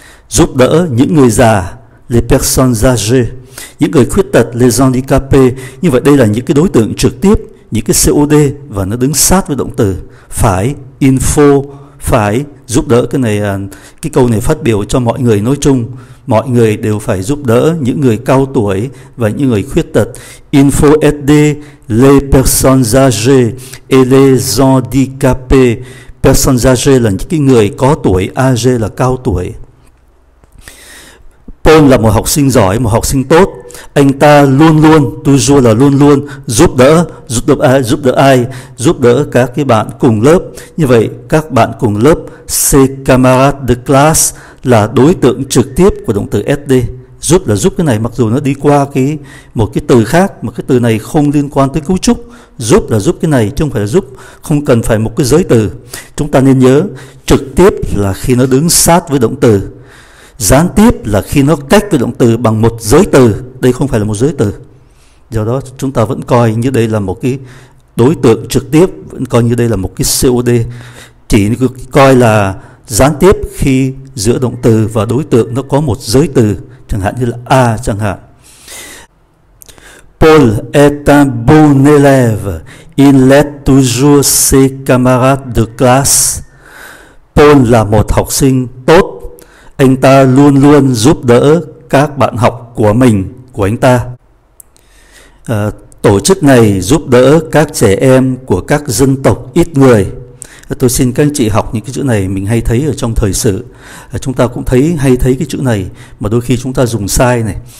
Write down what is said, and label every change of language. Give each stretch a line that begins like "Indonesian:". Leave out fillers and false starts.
Vietnamese: Giúp đỡ những người già,
French: les personnes âgées,
Vietnamese: những người khuyết tật,
French: les handicapés.
Vietnamese: Như vậy đây là những cái đối tượng trực tiếp, những cái COD, và nó đứng sát với động từ phải, info, phải giúp đỡ. Cái này, cái câu này phát biểu cho mọi người nói chung, mọi người đều phải giúp đỡ những người cao tuổi và những người khuyết tật.
French: Il faut aider les personnes âgées et les handicapés. Personnes âgées
Vietnamese: là những cái người có tuổi, âgé là cao tuổi. Paul là một học sinh giỏi, một học sinh tốt. Anh ta luôn luôn, toujours là luôn luôn giúp đỡ ai, giúp đỡ các cái bạn cùng lớp. Như vậy các bạn cùng lớp,
French: ses camarades de classe,
Vietnamese: là đối tượng trực tiếp của động từ SD. Giúp là giúp cái này, mặc dù nó đi qua cái một cái từ khác, mà cái từ này không liên quan tới cấu trúc. Giúp là giúp cái này, chứ không phải là giúp, không cần phải một cái giới từ. Chúng ta nên nhớ, trực tiếp là khi nó đứng sát với động từ, gián tiếp là khi nó cách với động từ bằng một giới từ. Đây không phải là một giới từ. Do đó chúng ta vẫn coi như đây là một cái đối tượng trực tiếp, vẫn coi như đây là một cái COD. Chỉ coi là gián tiếp khi giữa động từ và đối tượng nó có một giới từ, chẳng hạn như là A chẳng hạn.
French: Paul est un bon élève. Il aide toujours ses camarades de classe.
Vietnamese: Paul là một học sinh tốt. Anh ta luôn luôn giúp đỡ các bạn học của mình, của anh ta. Tổ chức này giúp đỡ các trẻ em của các dân tộc ít người. Tôi xin các anh chị học những cái chữ này, mình hay thấy ở trong thời sự. Chúng ta cũng thấy hay thấy cái chữ này mà đôi khi chúng ta dùng sai này.